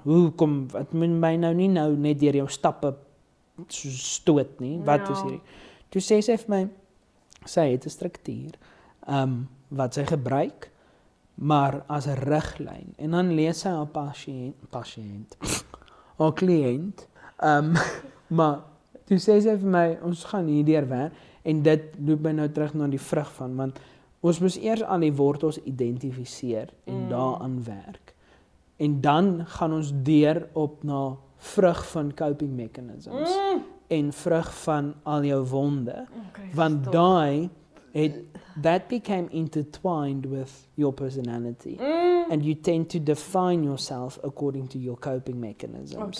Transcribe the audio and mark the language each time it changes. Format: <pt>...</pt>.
<af>Hoe kom, wat moet my nou nie nou net deur jou stappe stoot nie? Wat is hier? Toe sê sy vir my, sy het 'n struktuur wat sy gebruik, maar as 'n riglyn. En dan lees sy haar pasiënt, haar kliënt, maar toe sê sy vir my, ons gaan hier deur werk, en dit loop my nou terug na die vrug van, want ons moet eers aan die wortels identifiseer en daaraan werk. En dan gaan ons deur op na vrug van coping mechanisms en vrug van al jou wonde.</af> <en>Okay,</en> <af>want daai,</af> <en>that became intertwined with your personality. And you tend to define yourself according to your coping mechanisms.</en>